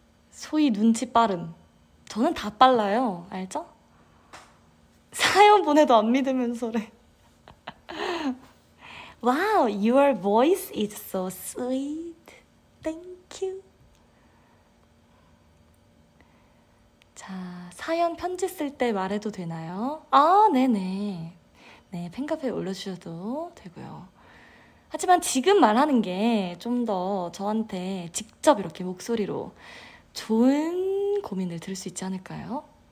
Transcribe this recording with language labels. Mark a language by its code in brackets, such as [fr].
[ko] 소희 눈치 빠름. 저는 다 빨라요. 알죠? 사연 보내도 안 믿으면서래. [en] 와우, your voice is so sweet. Thank you. [ko] 자, 사연 편지 쓸 때 말해도 되나요? 아, 네네. 네, 팬카페에 올려주셔도 되고요. 하지만 지금 말하는 게 좀 더 저한테 직접 이렇게 목소리로 좋은 고민을 들을 수 있지 않을까요?